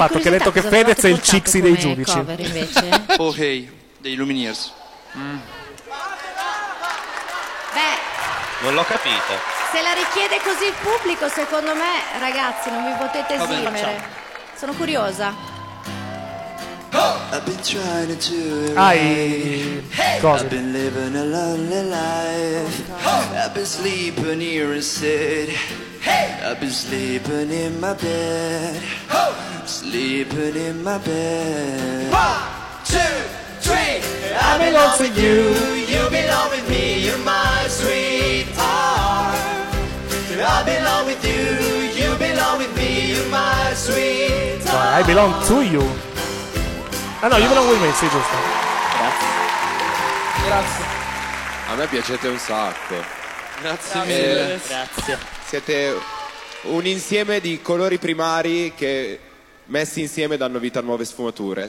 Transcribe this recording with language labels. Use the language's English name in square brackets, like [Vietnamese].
[Italian] fatto, che ha detto che Fedez è il Cixi dei giudici. Cover, invece. Oh hey, dei Lumineers. Beh, non l'ho capito. Se la richiede così il pubblico, secondo me, ragazzi, non vi potete esimere. Sono curiosa. [English] I've been trying to I've been living a lonely life. I've been sleeping here instead. I've been sleeping in my bed. Sleeping in my bed. 1, 2, 3. I belong to you. You belong with me. You're my sweetheart. I belong with you. You belong with me. You're my sweetheart. I belong to you. [Italian] Ah no, io non vuoi me, sì, giusto. Grazie. A me piacete un sacco. Grazie mille. Grazie. Siete un insieme di colori primari che messi insieme danno vita a nuove sfumature.